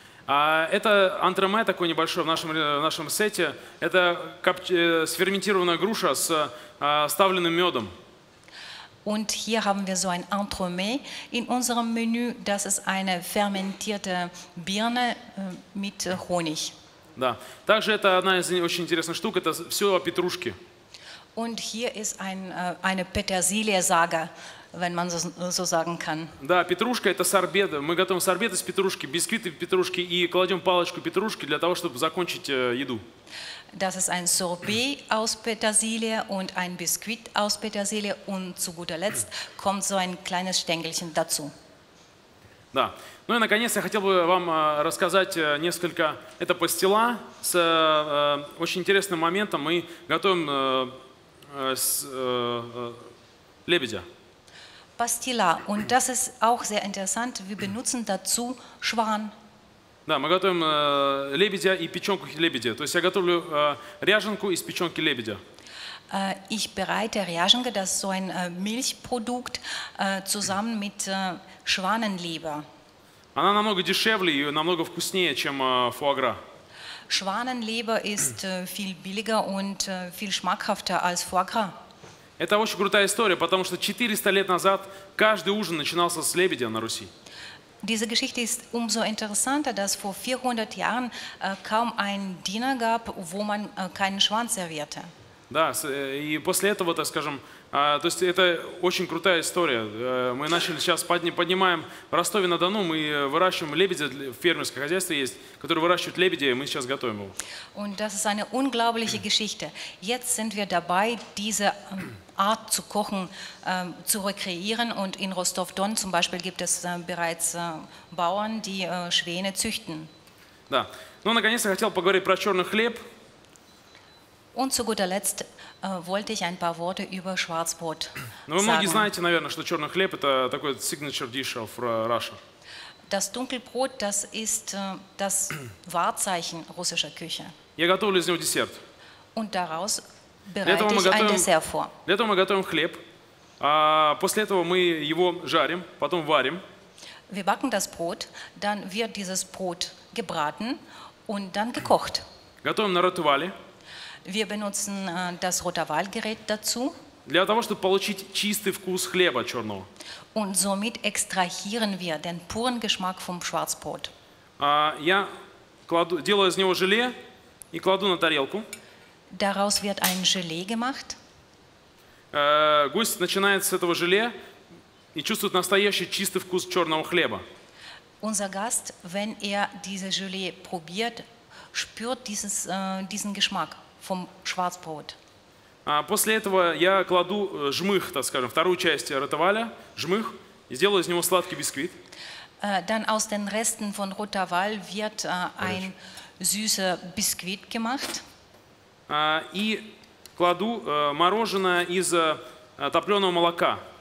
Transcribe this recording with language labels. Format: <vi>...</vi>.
<ru>Это антреме такое небольшое в нашем сете. Это сферментированная груша с оставленным медом.</ru> <de>Und hier haben wir so ein Entremet in unserem Menü. Das ist eine fermentierte Birne mit Honig.</de> <ru>Да. Также это одна из очень интересных штук. Это все о петрушке.</ru> <de>Und hier ist eine Petersilie-Saga. Wenn man so sagen kann.</de> <ru>Да, петрушка это сорбет. Мы готовим сорбет из петрушки, бисквиты петрушки и кладем палочку петрушки для того, чтобы закончить еду.</ru> <de>Das ist ein Sorbet aus Petersilie und ein Biskuit aus Petersilie und zu guter Letzt kommt so ein kleines Stängelchen dazu.</de> <ru>Да. Ну и наконец я хотел бы вам рассказать несколько. Это пастила с очень интересным моментом. Мы готовим лебедя.</ru> <de>Pastilla. Und das ist auch sehr interessant. Wir benutzen dazu Schwan.</de> <ru>Да, мы готовим лебедя и печенку лебедя. То есть я готовлю ряженку из печенки лебедя.</ru> <de>Ich bereite Ряженка, das ist so ein Milchprodukt, zusammen mit Schwanenleber.</de> <ru>Она намного дешевле и намного вкуснее, чем фуагра.</ru> <de>Schwanenleber ist viel billiger und viel schmackhafter als foie gras.</de> <ru>Это очень крутая история, потому что 400 лет назад каждый ужин начинался с лебедя на Руси.</ru> <de>Diese Geschichte ist umso interessanter, dass vor 400 Jahren kaum ein Diner gab, wo man keinen Schwan servierte.</de> <ru>Да, и после этого, так скажем, то есть это очень крутая история. Мы начали сейчас поднимаем в Ростове-на-Дону, мы выращиваем лебедя, фермерское хозяйство есть, которое выращивает лебедя, и мы сейчас готовим его.</ru> <de>Und das ist eine unglaubliche Geschichte. Jetzt sind wir dabei, diese Art zu kochen zu rekreieren. Und in Ростов-Дон zum Beispiel gibt es bereits Bauern, die Schwäne züchten.</de> <ru>Да. Ну, наконец, я хотел поговорить про черный хлеб.</ru> <de>Und zu guter Letzt wollte ich ein paar Worte über Schwarzbrot sagen.</de> <ru>Вы многие знаете, наверное, что черный хлеб – это такой</ru> <en>signature dish of Russia.</en> <de>Das Dunkelbrot, das ist das Wahrzeichen russischer Küche.</de> <ru>Я готовлю из него десерт.</ru> <de>Und daraus bereite ich ein Dessert vor.</de> <ru>Для этого мы готовим хлеб, а после этого мы его жарим, потом варим.</ru> <de>Wir backen das Brot, dann wird dieses Brot gebraten und dann gekocht.</de> <ru>Готовим на ротавале.</ru> <de>Wir benutzen das Rotawal-Gerät dazu.</de> <ru>Для того, чтобы получить чистый вкус хлеба черного.</ru> <de>Und somit extrahieren wir den puren Geschmack vom Schwarzbrot.</de> <ru>Я кладу, делаю из него желе и кладу на тарелку.</ru> <de>Daraus wird ein Gelee gemacht.</de> <ru>Гость начинает с этого желе и чувствует настоящий чистый вкус черного хлеба.</ru> <de>Unser Gast, wenn er diese Gelee probiert, spürt diesen Geschmack. Vom Schwarzbrot.</de> <ru>После этого я кладу жмых, так скажем, вторую часть ротаваля, жмых, и сделаю из него сладкий бисквит.</ru> <de>Dann aus den Resten von Rotawal wird ein süßer Biskuit gemacht.</de> <ru>И кладу мороженое из топленого молока.</ru>